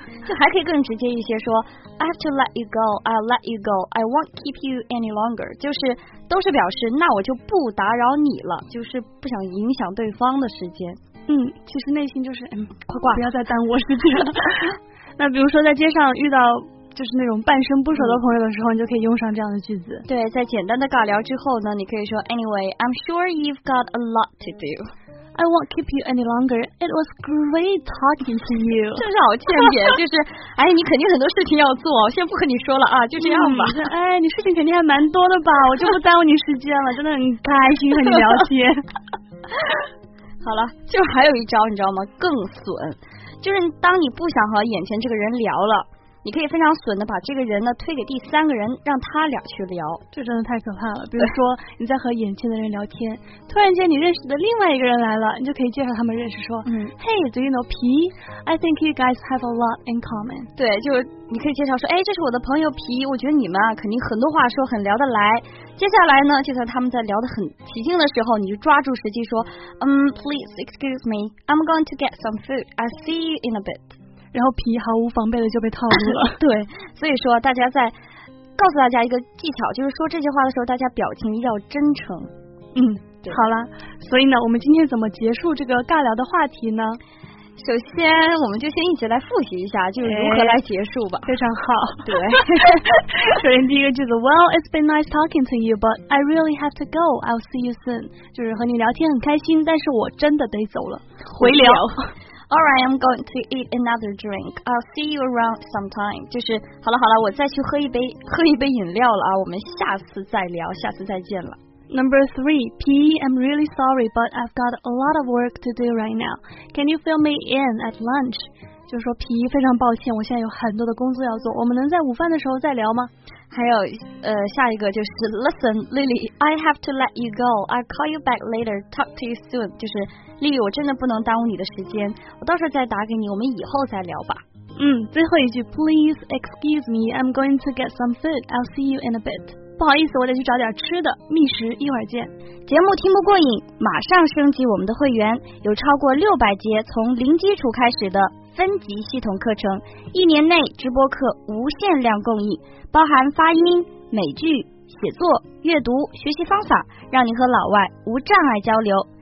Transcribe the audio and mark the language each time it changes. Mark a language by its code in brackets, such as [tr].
[zh] 就还可以更直接一些说 [en] I have to let you go, I'll let you go, I won't keep you any longer, [zh] 就是都是表示那我就不打扰你了，就是不想影响对方的时间。其实内心就是快挂，不要再耽误我时间了。那比如说在街上遇到就是那种半生不熟的朋友的时候，你就可以用上这样的句子。对，在简单的尬聊之后呢，你可以说 [en] Anyway, I'm sure you've got a lot to do, I won't keep you any longer, it was great talking to you. [zh] 真是好欠扁。就是哎，你肯定很多事情要做，我先不和你说了啊，就这样吧。哎，你事情肯定还蛮多的吧，我就不耽误你时间了，真的很开心和你聊天。好了，就还有一招你知道吗？更损，就是当你不想和眼前这个人聊了，你可以非常损的把这个人呢推给第三个人，让他俩去聊，这真的太可怕了。比如说你在和眼前的人聊天，突然间你认识的另外一个人来了，你就可以介绍他们认识，说 [en] Hey, do you know P? I think you guys have a lot in common. [zh] 对，就你可以介绍说，哎，这是我的朋友皮，我觉得你们啊肯定很多话说，很聊得来。接下来呢，就在他们在聊得很起劲的时候，你就抓住时机说， [en] please excuse me, I'm going to get some food. I'll see you in a bit. [zh] 然后皮毫无防备的就被套路了。对，所以说大家在告诉大家一个技巧，就是说这些话的时候，大家表情要真诚。嗯，好了，所以呢，我们今天怎么结束这个尬聊的话题呢？首先我们就先一起来复习一下，就是如何来结束吧。非常好。对。首先第一个句子， [en] Well, it's been nice talking to you, but I really have to go. I'll see you soon. [zh] 就是和你聊天很开心，但是我真的得走了，回聊。 [en] Alright, I'm going to eat another drink. I'll see you around sometime. [zh] 就是好了好了，我再去喝一杯饮料了啊，我们下次再聊，下次再见了。 [en] Number three, P, I'm really sorry, but I've got a lot of work to do right now. Can you fill me in at lunch? [zh] 就是说 P, 非常抱歉，我现在有很多的工作要做，我们能在午饭的时候再聊吗？还有下一个就是 [en] Listen, Lily, I have to let you go. I'll call you back later. Talk to you soon. [zh] 就是 Lily, 我真的不能耽误你的时间，我到时候再打给你，我们以后再聊吧。嗯，最后一句 [en] Please excuse me, I'm going to get some food. I'll see you in a bit. [zh] 不好意思，我得去找点吃的，觅食，一会儿见。节目听不过瘾，马上升级我们的会员，有超过600节从零基础开始的分级系统课程，一年内直播课无限量供应，包含发音、美剧、写作、阅读、学习方法，让你和老外无障碍交流。